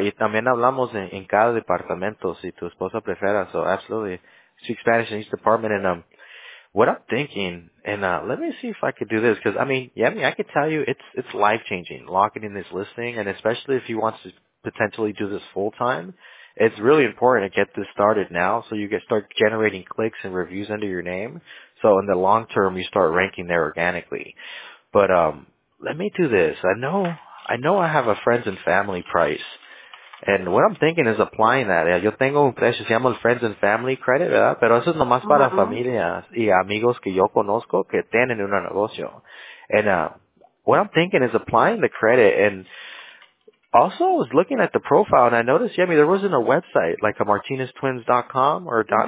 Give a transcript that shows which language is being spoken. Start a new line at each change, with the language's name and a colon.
Spanish: Y también hablamos en cada departamento, si tu esposa prefiera.
English: So absolutely, speak Spanish in each department. And what I'm thinking, and let me see if I could do this, because I mean, I could tell you it's life changing locking in this listing, and especially if you want to potentially do this full time, it's really important to get this started now so you get start generating clicks and reviews under your name. So in the long term, you start ranking there organically. But let me do this. I know I have a friends and family price, and what I'm thinking is applying that.
Spanish: Yo tengo un precio, se llama el Friends and Family Credit, ¿verdad? Pero eso es nomás para familias y amigos que yo conozco que tienen un negocio.
English: And what I'm thinking is applying the credit. And also, I was looking at the profile, and I noticed, there wasn't a website, like a martinezTwins.com or .net.